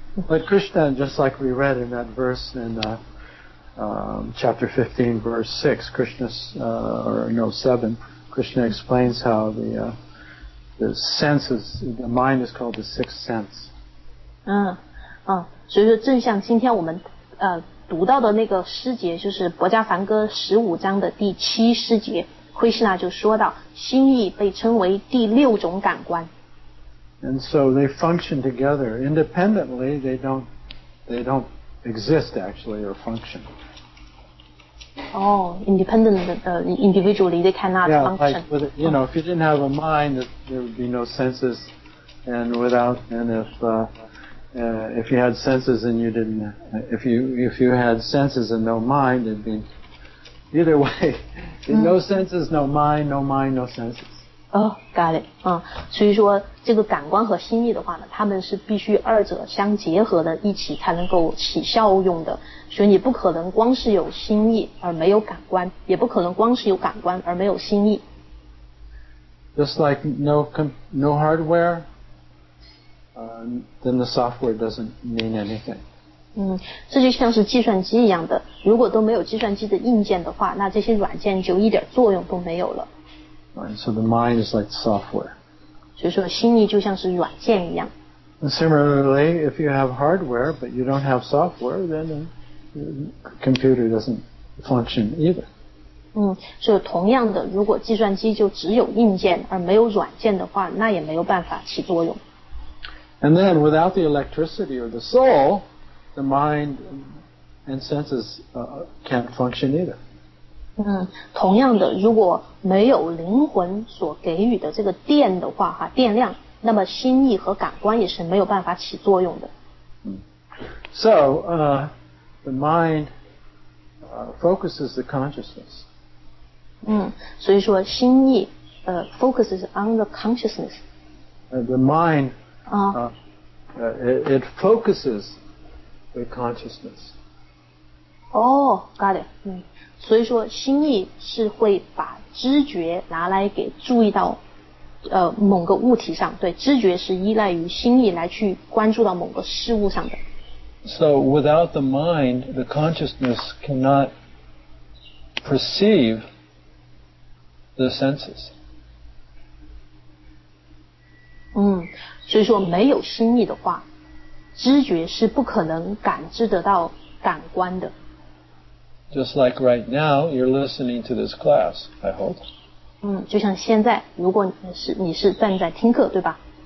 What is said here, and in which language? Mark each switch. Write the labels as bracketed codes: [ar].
[en] But Krishna, just like we read in that verse in chapter 15, verse 6, Krishna explains how the senses, the mind is called the sixth sense. [zh] 所以说正像今天我们读到的那个诗节，就是《薄伽梵歌》十五章的第七诗节。 Krishna 就说到心意被称为第六种感官。 [en] And so they function together independently, they don't exist actually or function. Oh, individually they cannot yeah, function. Like, you know, if you didn't have a mind, there would be no senses, if you had senses and you didn't, if you had senses and no mind, it'd bebe. Either way, no senses, no mind, no mind, no senses. Oh, got it. [zh] 所以说这个感官和心意的话呢，他们是必须二者相结合的一起才能够起效用的。所以你不可能光是有心意而没有感官，也不可能光是有感官而没有心意。 [en] Just like no hardware, then the software doesn't mean anything. [zh] 这就像是计算机一样的，如果都没有计算机的硬件的话，那这些软件就一点作用都没有了。 [en] Right, so the mind is like software. [zh] 所以说心意就像是软件一样。 [en] And similarly, if you have hardware but you don't have software, then the computer doesn't function either. [zh] 所以同样的，如果计算机就只有硬件而没有软件的话，那也没有办法起作用。 [en] And then without the electricity or the soul,the mind and senses can't function either. [zh] 同样的，如果没有灵魂所给予的这个电的话，电量，那么心意和感官也是没有办法起作用的。 [en] So, the mind focuses the consciousness. [zh] 所以说心意 [en] focuses on the consciousness. The mind, it focuses... the consciousness. Oh, got it. [zh] 所以说心意是会把知觉拿来给注意到某个物体上，对，知觉是依赖于心意来去关注到某个事物上的。 [en] So without the mind, the consciousness cannot perceive the senses. [zh] 所以说没有心意的话，知觉是不可能感知得到感官的。 [en] Just like right now, you're listening to this class, I hope. [zh] 就像现在，如果你是站在听课，对吧？